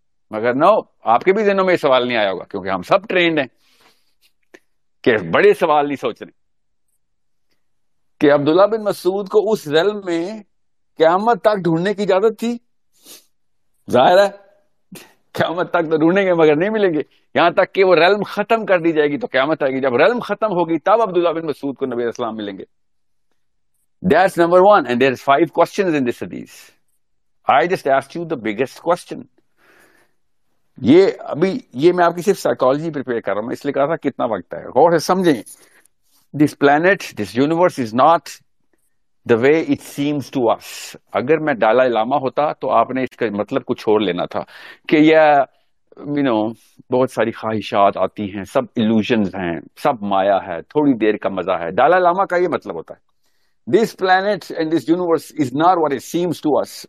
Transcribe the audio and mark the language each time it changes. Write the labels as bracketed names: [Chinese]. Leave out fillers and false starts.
[Urdu] مگر نو, آپ کے بھی ذہنوں میں یہ سوال نہیں آیا ہوگا کیونکہ ہم سب ٹرینڈ ہیں کہ بڑے سوال نہیں سوچ رہے کہ عبداللہ بن مسعود کو اس ریلم میں قیامت تک ڈھونڈنے کی اجازت تھی. ظاہر ہے قیامت تک تو ڈھونڈیں گے مگر نہیں ملیں گے, یہاں تک کہ وہ ریلم ختم کر دی جائے گی تو قیامت آئے گی, جب ریلم ختم ہوگی تب عبداللہ بن مسعود کو نبی اسلام ملیں گے. [English] That's number one, and there is five questions in this حدیث. I just asked you the biggest question. [Urdu] یہ ابھی یہ میں آپ کی صرف سائیکالوجی پریپیئر کر رہا ہوں, میں اس لیے کہا تھا کتنا وقت ہے, غور سے سمجھیں. [English] This planet, this universe is not the way it seems to us. [Urdu] اگر میں دالائی لامہ ہوتا تو آپ نے اس کا مطلب کچھ اور لینا تھا کہ یہ you know, بہت ساری خواہشات آتی ہیں, سب الوژنز ہیں, سب مایا ہے, تھوڑی دیر کا مزہ ہے. [English] Dalai Lama [Urdu] کا یہ مطلب ہوتا ہے, [English] This planet and this universe is not what it seems to us.